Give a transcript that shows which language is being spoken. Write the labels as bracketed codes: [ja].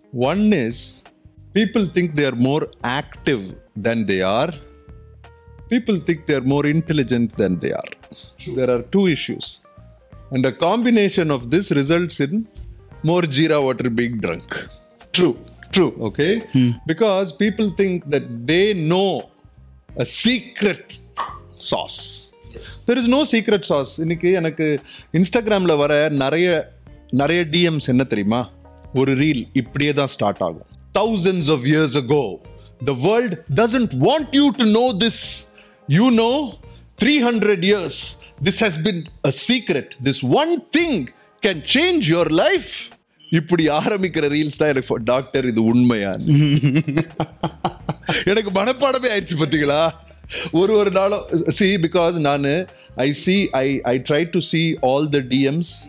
[en] One is people think they are more active than they are, people think they are more intelligent than they are. There are two issues and a combination of this results in more jeera water being drunk. True, okay. Because people think that they know a secret sauce. Yes. There is no secret sauce. [ta] இன்னைக்கு எனக்கு இன்ஸ்டாகிராம்ல வர நிறைய நிறைய DMs என்ன தெரியுமா, ஒரு reel இப்படியே தான் ஸ்டார்ட் ஆகும். [en] Thousands of years ago, the world doesn't want you to know this. You know, 300 years, this has been a secret. This one thing can change your life. [ta] இப்படி ஆரம்பிக்கிற ரீல்ஸ் தான் எனக்கு டாக்டர் இது உண்மையா, எனக்கு மனப்பாடமே ஆயிடுச்சு பார்த்தீங்களா. ஒரு ஒரு நாளும் [en] See, because நான் I see I I try to see all the DMs.